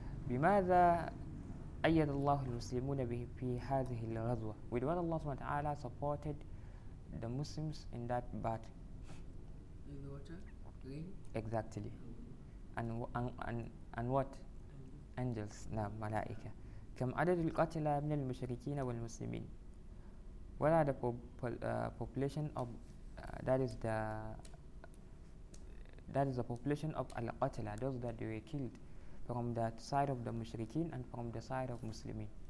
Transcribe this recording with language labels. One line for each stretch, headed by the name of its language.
Arabic: بماذا أيد الله المسلمون في هذه الغزوة?
English: With what Allah SWT supported the Muslims in that battle? In the water? Rain? Exactly. And what? Angels.
Arabic: نعم, ملائكة. كم عدد القتلى من المشركين والمسلمين?
English: What are the population of that is the population of القتلى, those that they were killed from that side of the mushrikeen and from the side of Muslimin?